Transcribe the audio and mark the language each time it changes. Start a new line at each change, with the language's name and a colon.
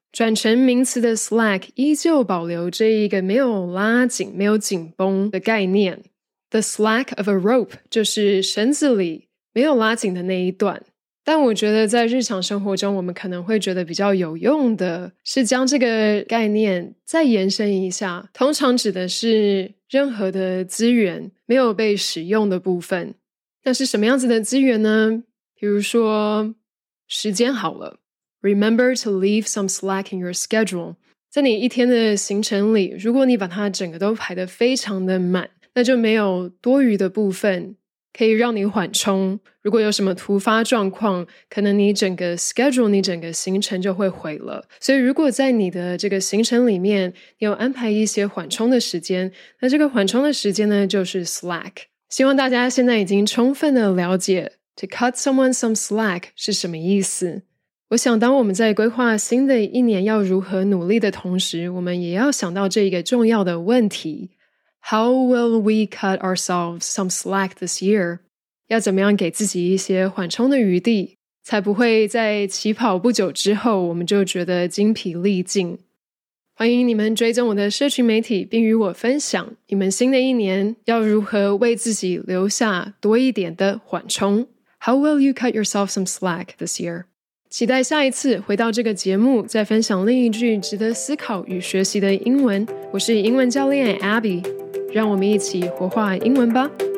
Chinese: 转成名词的 slack 依旧保留这一个没有拉紧没有紧绷的概念，
English: the slack of a rope
Chinese: 就是绳子里没有拉紧的那一段。但我觉得在日常生活中我们可能会觉得比较有用的是将这个概念再延伸一下，通常指的是任何的资源没有被使用的部分。那是什么样子的资源呢？比如说时间好了，
English: Remember to leave some slack in your schedule.
Chinese: 在你一天的行程里，如果你把它整个都排得非常的满，那就没有多余的部分，可以让你缓冲，如果有什么突发状况，可能你整个 schedule, 你整个行程就会毁了。所以如果在你的这个行程里面，你有安排一些缓冲的时间，那这个缓冲的时间呢，就是 slack。希望大家现在已经充分的了解 to cut someone some slack 是什么意思。我想当我们在规划新的一年要如何努力的同时，我们也要想到这一个重要的问题。
English: How will we cut ourselves some slack this year?
Chinese: 要怎么样给自己一些缓冲的余地，才不会在起跑不久之后我们就觉得精疲力尽。欢迎你们追踪我的社群媒体，并与我分享你们新的一年要如何为自己留下多一点的缓冲。
English: How will you cut yourself some slack this year?
Chinese: 期待下一次回到这个节目，再分享另一句值得思考与学习的英文。我是英文教练 Abby。让我们一起活化英文吧。